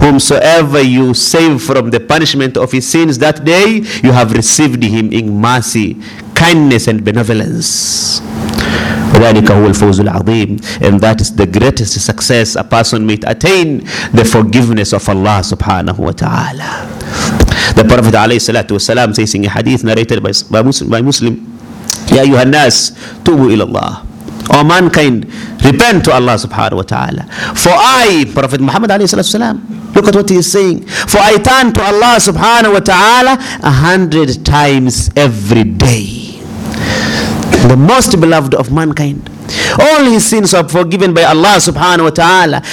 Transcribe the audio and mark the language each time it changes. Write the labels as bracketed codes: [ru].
[en] Whomsoever you save from the punishment of his sins that day, you have received him in mercy, kindness and benevolence. [ar] ذلك هو الفوز العظيم. [en] And that is the greatest success a person may attain, the forgiveness of Allah subhanahu wa ta'ala. The Prophet alayhi salatu wasalam says in a hadith narrated by Muslim, [ar] يا أيها الناس توبوا إلى الله. [en] All mankind, repent to Allah subhanahu wa ta'ala. For I, Prophet Muhammad alayhi salatu wasalam, look at what he is saying. For I turn to Allah subhanahu wa ta'ala 100 times every day. The most beloved of mankind. All his sins are forgiven by Allah subhanahu wa ta'ala.